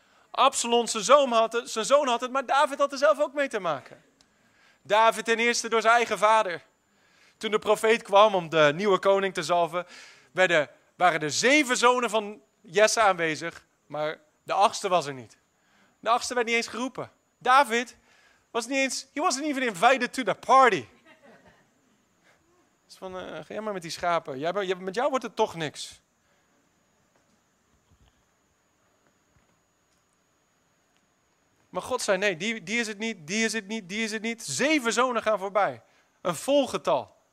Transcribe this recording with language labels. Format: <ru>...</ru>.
<nl>Absalom, zijn zoon had het, maar David had er zelf ook mee te maken. David ten eerste door zijn eigen vader. Toen de profeet kwam om de nieuwe koning te zalven, waren de 7 zonen van Jesse aanwezig, maar de 8e was er niet. De 8e werd niet eens geroepen. David was niet eens,</nl> <en>he wasn't even invited to the party.</en> <nl>Dus van, ga jij maar met die schapen. Met jou wordt het toch niks. Maar God zei, nee, die is het niet. 7 zonen gaan voorbij. Een vol getal.</nl>